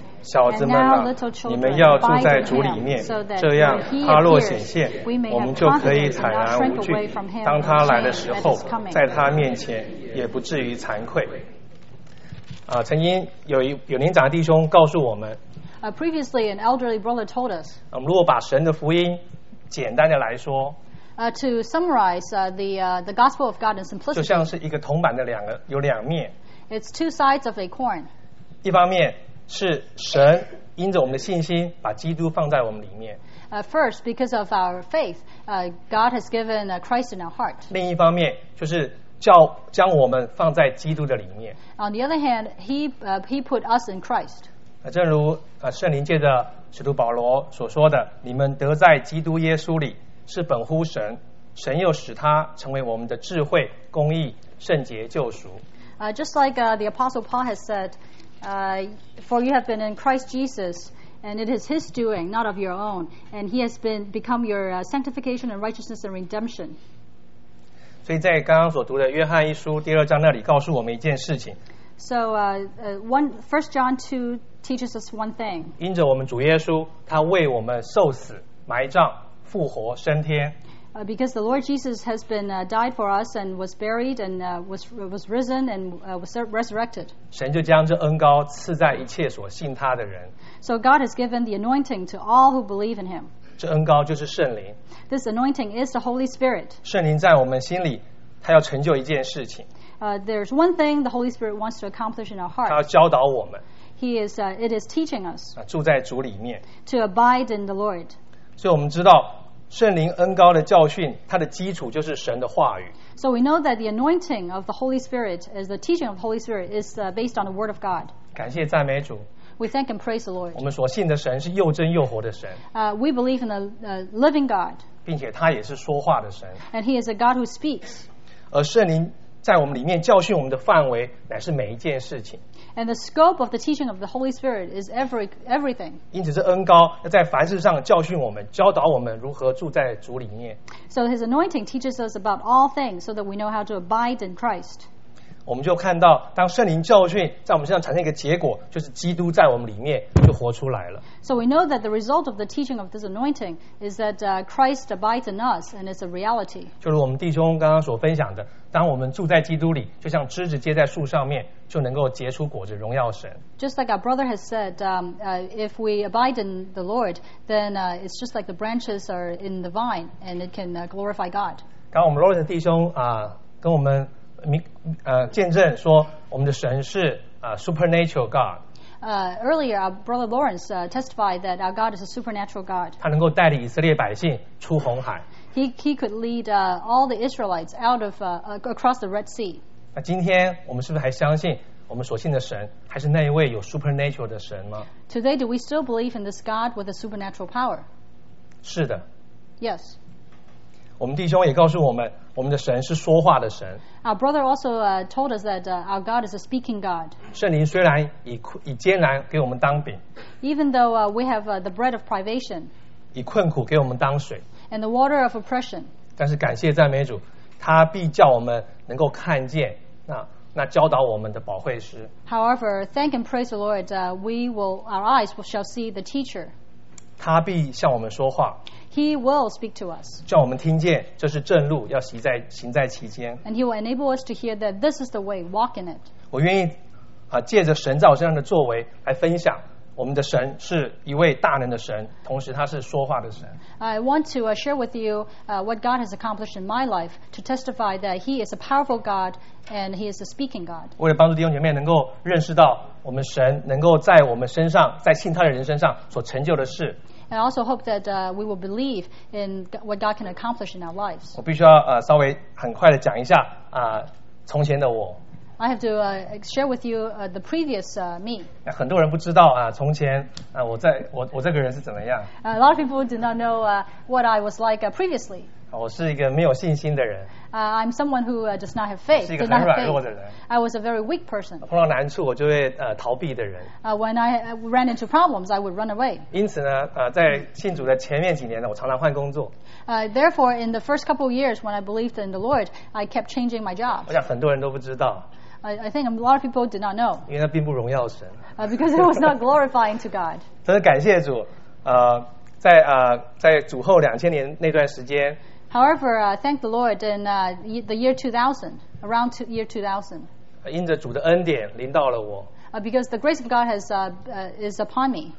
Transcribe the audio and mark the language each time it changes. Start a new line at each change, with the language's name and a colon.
Chinese: 小子们啊，你们要住在主里面，这样他若显现，我们就可以坦然无惧。当他来的时候，在他面前也不至于惭愧。曾经有年长的弟兄告诉我们。
English: Previously, an elderly brother told us.
Chinese: 我们如果把神的福音简单的来说。
English: To summarize the gospel of God in simplicity.
Chinese: 就像是一个铜板的有两面。
English: It's two sides of a coin.
Chinese: 一方面是神因着我们的信心把基督放在我们里面。
English: First, because of our faith, God has given Christ in our heart.
Chinese: 另一方面就是将我们放在基督的里面。
English: On the other hand, he put us in Christ.
Chinese: 正如圣灵借着使徒保罗所说的，你们得在基督耶稣里，是本乎神，神又使他成为我们的智慧、公义、圣洁、救赎。
English: Just like the Apostle Paul has said, for you have been in Christ Jesus, and it is his doing, not of your own, and he has become your sanctification and righteousness and redemption.
Chinese: 所以在刚刚所读的约翰一书第二章那里告诉我们一件事情。
English: So, First John 2 teaches us one thing.
Chinese: 因着我们主耶稣，他为我们受死、埋葬、复活、升天。
English: Because the Lord Jesus has been died for us and was buried and was risen and was resurrected.
Chinese: 神就将这恩膏赐在一切所信他的人。
English: So God has given the anointing to all who believe in him.
Chinese: 这恩膏就是圣灵。
English: This anointing is the Holy Spirit.
Chinese: 圣灵在我们心里，他要成就一件事情。
English: There's one thing the Holy Spirit wants to accomplish in our heart.
Chinese: 他要教导我们。
English: It is teaching us.
Chinese: 住在主里面。
English: To abide in the Lord.
Chinese: 所以我们知道，圣灵恩膏的教训，它的基础就是神的话语。
English: So we know that the anointing of the Holy Spirit is the teaching of the Holy Spirit is based on the Word of God.
Chinese: 感谢赞美主。
English: We thank and praise the Lord.
Chinese: 我们所信的神是又真又活的神。
English: We believe in the living God.
Chinese: 并且他也是说话的神。
English: And he is a God who speaks.
Chinese: 而圣灵在我们里面教训我们的范围乃是每一件事情。
English: And the scope of the teaching of the Holy Spirit is everything.
Chinese: 因此这恩膏要在凡事上教训我们，教导我们如何住在主里面。
English: So his anointing teaches us about all things so that we know how to abide in Christ.
Chinese: 我们就看到当圣灵教训在我们身上产生一个结果，就是基督在我们里面就活出来了。
English: So we know that the result of the teaching of this anointing is that Christ abides in us and it's a reality.
Chinese: 就如我们弟兄刚刚所分享的，当我们住在基督里，就像枝子接在树上面，就能够结出果子，荣耀神。
English: Just like our brother has said, if we abide in the Lord, then it's just like the branches are in the vine and it can glorify God.
Chinese: 刚刚我们 Lawrence 的弟兄跟我们见证说我们的神是
English: supernatural God. Earlier, our brother Lawrence testified that our God is a supernatural God.
Chinese: 他能够带领以色列百姓出红海。
English: He could lead all the Israelites out of across the Red Sea.
Chinese: 那今天我们是不是还相信我们所信的神还是那一位有 supernatural 的神吗？
English: Today, do we still believe in this God with a supernatural power?
Chinese: 是的。
English: Yes.
Chinese: 我们弟兄也告诉我们，我们的神是说话的神。
English: Our brother also told us that our God is a speaking God.
Chinese: 圣灵虽然以艰难给我们当饼
English: ，even though we have the bread of privation，
Chinese: 以困苦给我们当水
English: ，and the water of oppression。
Chinese: 但是感谢赞美主，他必叫我们能够看见那教导我们的保惠师。
English: However, thank and praise the Lord, our eyes shall see the teacher.
Chinese: 他必向我们说话。
English: He will speak to us.
Chinese: 叫我们听见，这是正路，要行在其间。
English: And he will enable us to hear that this is the way, walk in it.
Chinese: 我愿意借着神在我身上的作为来分享。我们的神是一位大能的神，同时他是说话的神。
English: I want to share with you what God has accomplished in my life to testify that He is a powerful God and He is a speaking God.
Chinese: 为了帮助弟兄姐妹能够认识到我们神能够在我们身上，在信他的人身上所成就的事。
English: And I also hope that we will believe in what God can accomplish in our lives.
Chinese: 我必须要稍微很快的讲一下从前的我。
English: I have to share with you the previous me.
Chinese: 很多人不知道从前我这个人是怎么样。
English: A lot of people do not know what I was like previously.
Chinese: 我是一个没有信心的人。
English: I'm someone who does not have faith.
Chinese: 是一个很软弱的人。
English: I was a very weak person.
Chinese: 碰到难处我就会逃避的人。
English: When I ran into problems, I would run away.
Chinese: 因此呢，在信主的前面几年呢，我常常换工作。
English: Therefore, in the first couple of years when I believed in the Lord, I kept changing my job.
Chinese: 我想很多人都不知道。
English: I think a lot of people did not know.
Chinese: 因为那并不荣耀神。
English: Because it was not glorifying to God.
Chinese: 真的感谢主，在主后2000年那段时间。
English: However, thank the Lord in the year 2000, around year 2000.
Chinese: 因着主的恩典临到了我。
English: Because the grace of God has is upon me.